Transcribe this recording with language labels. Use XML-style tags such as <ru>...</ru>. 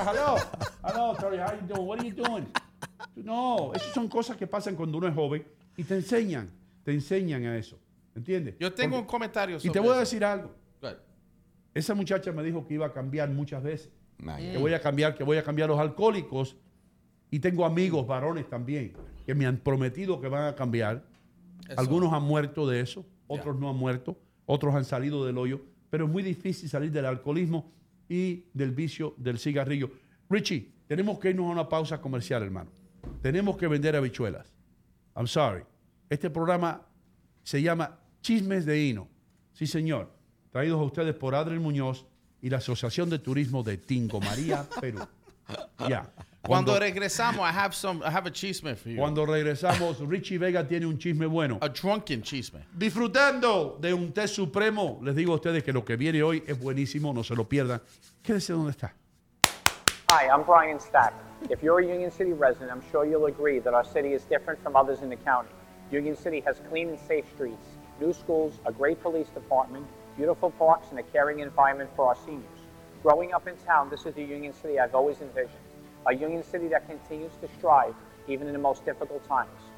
<en>Hello, Charlie, how you doing? What are you doing?</en> <es>No, esas son cosas que pasan cuando uno es joven y te enseñan a eso. ¿Entiendes? Yo tengo un comentario sobre eso. Y te voy a decir algo.</es> <en>Good.</en> <es>Esa muchacha me dijo que iba a cambiar muchas veces.</es> <en>Nice.</en> <es>Que voy a cambiar los alcohólicos. Y tengo amigos varones también que me han prometido que van a cambiar. Eso. Algunos han muerto de eso, otros no han muerto. Otros han salido del hoyo, pero es muy difícil salir del alcoholismo y del vicio del cigarrillo. Richie, tenemos que irnos a una pausa comercial, hermano. Tenemos que vender habichuelas.</es> <en>I'm sorry.</en> <es>Este programa se llama Chismes de Hino. Sí, señor. Traídos a ustedes por Adriel Muñoz y la Asociación de Turismo de Tingo María, Perú. Ya. Yeah. Cuando regresamos,</es> <en>I have a chisme for you.</en> <es>Cuando regresamos, Richie Vega tiene un chisme bueno.</es> <en>A drunken chisme.</en> <es>Disfrutando de un té supremo, les digo a ustedes que lo que viene hoy es buenísimo, no se lo pierdan. Quédese donde está.</es> <en>Hi, I'm Brian Stack. If you're a Union City resident, I'm sure you'll agree that our city is different from others in the county. Union City has clean and safe streets, new schools, a great police department, beautiful parks, and a caring environment for our seniors. Growing up in town, this is the Union City I've always envisioned. A Union City that continues to strive even in the most difficult times.</en>